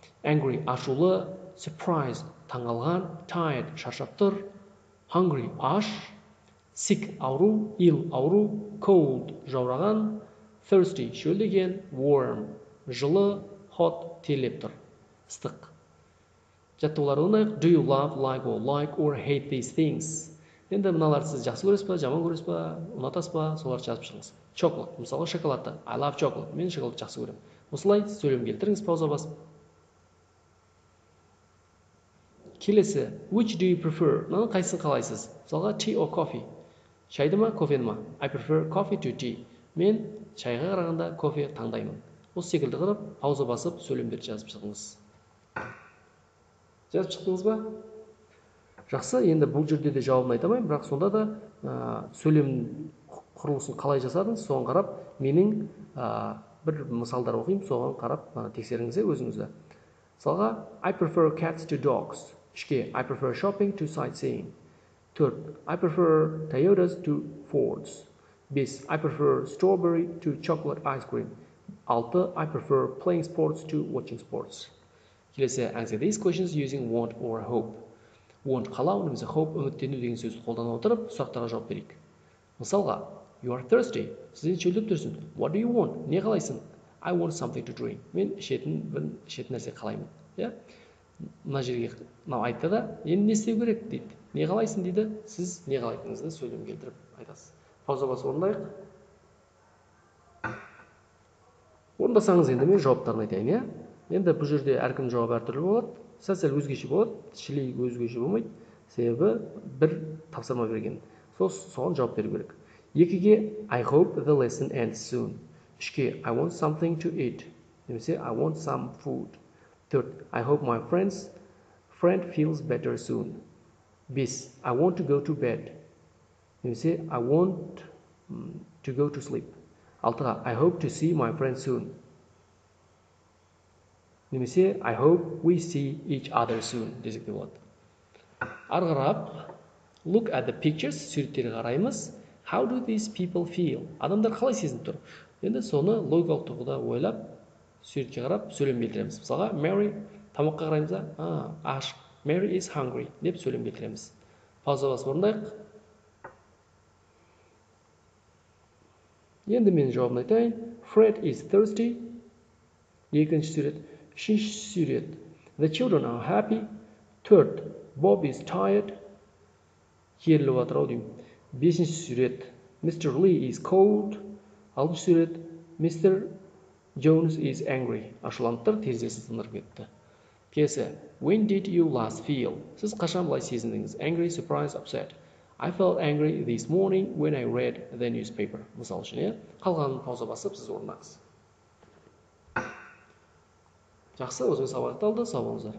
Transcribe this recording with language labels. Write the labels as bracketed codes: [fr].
[kk] Angry, ашулы, surprised, таңалған, tired, шаршап тұр, hungry, аш, sick, ауру, ill, ауру, cold, жаураған, thirsty, шөлдеген, warm, жылы, hot, терлеп тұр, ыстық. Жаттығулар ұнайық, [en] do you love, like or hate these things? [kk] Енді мыналар сіз жақсы көресіз ба, жаман көресіз ба, ұнатасыз ба, соларды жазып шығыңыз. Chocolate, мысалы шоколадты, [en] I love chocolate, [kk] мен шоколадты жақсы көрем. Осылай сөйлем келтіріңіз, пауза басып. [en] Келесі, which do you prefer? [kk] Мынаны қайсысын қалайсыз? [en] Мысалға, tea or coffee? [kk] Шайды ма, кофені ма? [en] I prefer coffee to tea. [kk] Мен шайға қарағанда кофе таңдаймын. Осы секілді қырып, пауза басып, сөйлемдерді жазып шығыңыз. Жазып шықтыңыз ба? Жақсы, енді бұл жерде де жауабын айтамайын, бірақ сонда да сөйлем құрылысын қалай жасадыңыз, соған қарап, менің бір мысалдар оқиым, соған қарап тексеріңізде өзіңізді. [en] Мысалға, I prefer cats to dogs. Үшке, I prefer shopping to sightseeing. Төрт, I prefer Toyotas to Fords. Бес, I prefer strawberry to chocolate ice cream. Алты, I prefer playing sports to watching sports. Келесі, answer these questions using want or hope. [kk] Want қалау, немесе hope үміттену деген сөзді қолдана отырып, сұрақтарға жауап берейік. [en] Мысалға, you are thirsty. [kk] Сізден шөлдеп тұрсын. [en] What do you want? [kk] Не қалайсың? [en] I want something to drink. [kk] Мен ішетін нәрсе қалаймын. Мына жерге айтты да, енді не істеу керек дейді. Не қалайсың дейді, сіз не қалайтыңызды сөйлем келтіріп айтасыз. Пауза басып орындайық. Орындасаңыз енді мен жауаптарын айтайын, иә? Енді бұл жерде әркім жауап әртүрлі болады, сәл өзгеше болады, тікелей өзгеше болмайды, себебі бір тапсырма берген. Соған жауап беру керек. [en] Екіге, I hope the lesson ends soon. Үшке, I want something to eat. Немесе, I want some food. 4. I hope my friend feels better soon. 5. I want to go to bed. Немесе, I want to go to sleep. 6. I hope to see my friend soon. Немесе, I hope we see each other soon. [kk] Десек те болады. [en] Арғырап, look at the pictures, [kk] суреттерге қараймыз. [en] How do these people feel? [kk] Адамдар қалай сезініп тұр? Енді соны логикалық тұрғыда ойлап, суретке қарап, сөйлем келтіреміз. Мысалға, Mary, тамаққа қараймыз, аш. [en] Mary is hungry, [kk] деп сөйлем келтіреміз. Пауза басып орындайық. Енді мен жауабын айтайын. [en] Fred is thirsty. [kk] Екінші сурет. Үшінші сурет. [en] The children are happy. Third, Bob is tired. [kk] Керіліп отырау деймін. Бесінші сурет. [en] Mr. Lee is cold. [kk] Алтыншы сурет. [en] Mr. Jones is angry. [kk] Ашуланып тұр, терезесі сындырып кетті. Кесі. [en] When did you last feel? [kk] Сіз қашан былай сезіндіңіз? [en] Angry, surprised, upset. I felt angry this morning when I read the newspaper. [kk] Мысал үшін, қалғанын пауза басып, сіз орнаңыз. Жақсы, өзіңіз сабақты алды, сау болыңыздар.